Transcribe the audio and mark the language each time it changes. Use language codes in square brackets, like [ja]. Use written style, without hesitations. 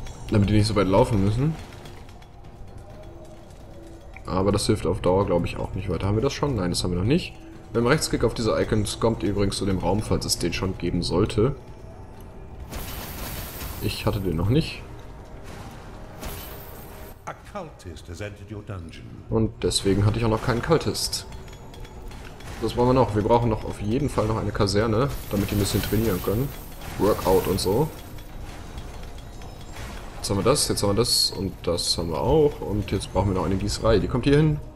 [de] Damit die nicht so weit laufen müssen. Aber das hilft auf Dauer, glaube ich, auch nicht weiter. Haben wir das schon? Nein, das haben wir noch nicht. Beim Rechtsklick auf diese Icons kommt ihr übrigens zu dem Raum, falls es den schon geben sollte. Ich hatte den noch nicht. [en] A cultist has entered your dungeon. [de] Und deswegen hatte ich auch noch keinen Cultist. Das wollen wir noch. Wir brauchen noch auf jeden Fall noch eine Kaserne, damit die ein bisschen trainieren können. Workout und so. Jetzt haben wir das, jetzt haben wir das und das haben wir auch. Und jetzt brauchen wir noch eine Gießerei. Die kommt hier hin.